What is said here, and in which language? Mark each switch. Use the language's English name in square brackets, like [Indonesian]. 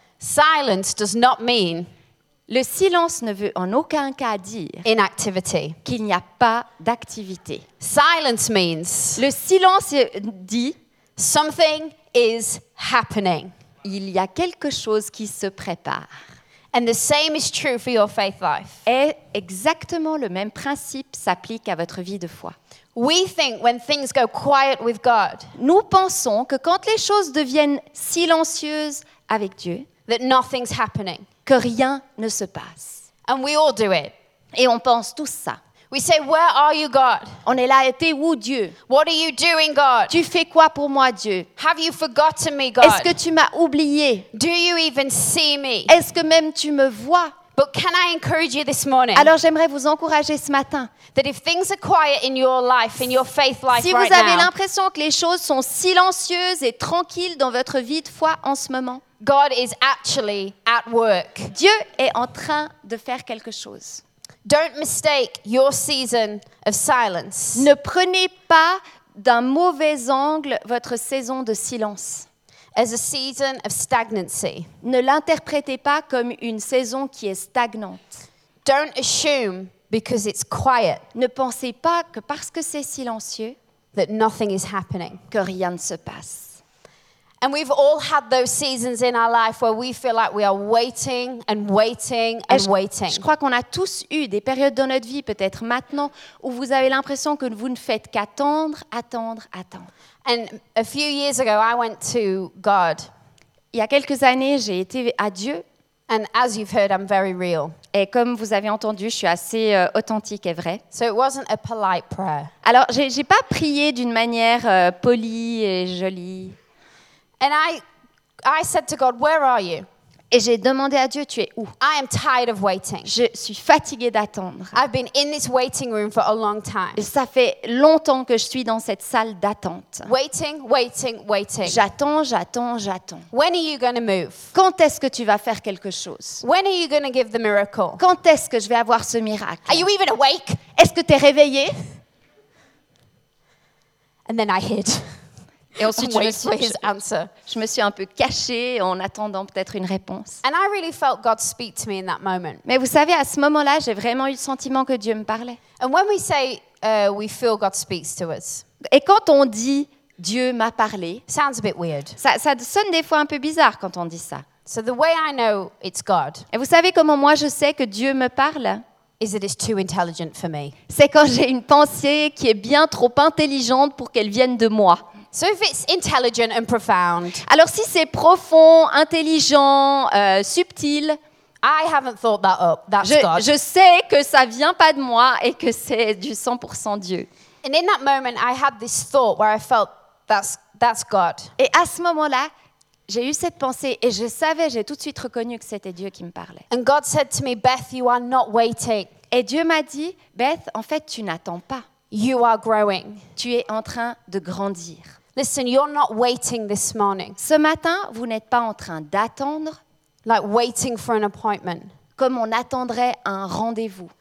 [English] silence does not mean [French] le silence ne veut en aucun cas dire [English] inactivity. [French] Qu'il n'y a pas d'activité. [English] Silence means [French] le silence dit [English] something is happening. [French] Il y a quelque chose qui se prépare. [English] And the same is true for your faith life. [French] Et exactement le même principe s'applique à votre vie de foi. [English] We think when things go quiet with God. [French] Nous pensons que quand les choses deviennent silencieuses avec Dieu, [English] that nothing's happening. [French] Que rien ne se passe. [English] And we all do it. [French] Et on pense tout ça. [English] We say, "Where are you, God?" [French] On est là, t'es où Dieu? [English] What are you doing, God? [French] Tu fais quoi pour moi, Dieu? [English] Have you forgotten me, God? [French] Est-ce que tu m'as oublié? [English] Do you even see me? [French] Est-ce que même tu me vois? [English] But can I encourage you this morning? [French] Alors j'aimerais vous encourager ce matin. [English] That if things are quiet in your life, in your faith life right now. [French] Si vous avez l'impression que les choses sont silencieuses et tranquilles dans votre vie de foi en ce moment. [English] God is actually at work. [French] Dieu est en train de faire quelque chose. [English] Don't mistake your season of silence. [French] Ne prenez pas d'un mauvais angle votre saison de silence. [English] As a season of stagnancy. [French] Ne l'interprétez pas comme une saison qui est stagnante. [English] Don't assume because it's quiet. [French] Ne pensez pas que parce que c'est silencieux [English] that nothing is happening. [French] Que rien ne se passe. [English] And we've all had those seasons in our life where we feel like we are waiting and waiting and waiting. [French] Je crois qu'on a tous eu des périodes dans notre vie, peut-être maintenant, où vous avez l'impression que vous ne faites qu'attendre, attendre, attendre. [English] And a few years ago, I went to God. [French] Il y a quelques années, j'ai été à Dieu. [English] And as you've heard, I'm very real. [French] Et comme vous avez entendu, je suis assez authentique et vraie. [English] So it wasn't a polite prayer. [French] Alors, j'ai pas prié d'une manière polie et jolie. [English] And I said to God, "Where are you?" [French] Et j'ai demandé à Dieu, tu es où? [English] I am tired of waiting. [French] Je suis fatiguée d'attendre. [English] I've been in this waiting room for a long time. [French] Et ça fait longtemps que je suis dans cette salle d'attente. [English] Waiting, waiting, waiting. [French] J'attends, j'attends, j'attends. [English] When are you going to move? [French] Quand est-ce que tu vas faire quelque chose? [English] When are you going to give the miracle? [French] Quand est-ce que je vais avoir ce miracle? [English] Are you even awake? [French] Est-ce que tu es réveillée? [English] And then I hid. [French] Et ensuite, je me suis un peu cachée en attendant peut-être une réponse. [English] And I really felt God speak to me in that moment. [French] Mais vous savez, à ce moment-là, j'ai vraiment eu le sentiment que Dieu me parlait. [English] And when we say we feel God speaks to us. [French] Et quand on dit Dieu m'a parlé, [English] sounds a bit weird. [French] Ça sonne des fois un peu bizarre quand on dit ça. [English] So the way I know it's God. [French] Et vous savez comment moi je sais que Dieu me parle? [English] Is it is too intelligent for me. [French] C'est quand j'ai une pensée qui est bien trop intelligente pour qu'elle vienne de moi. [English] So if it's intelligent and profound. [French] Alors si c'est profond, intelligent, subtil, [English] I haven't thought that up. That's [French] je, [English] God. [French] Je sais que ça vient pas de moi et que c'est du 100% Dieu. [English] And in that moment I had this thought where I felt that's God. [French] Et à ce moment-là, j'ai eu cette pensée et je savais, j'ai tout de suite reconnu que c'était Dieu qui me parlait. [English] And God said to me, Beth, you are not waiting. [French] Et Dieu m'a dit, Beth, en fait, tu n'attends pas. [English] You are growing. [French] Tu es en train de grandir. [English] Listen, you're not waiting this morning. [French] Ce matin, vous n'êtes pas en train d'attendre. [English] Like waiting for an appointment. [French] Comme on attendrait un rendez-vous.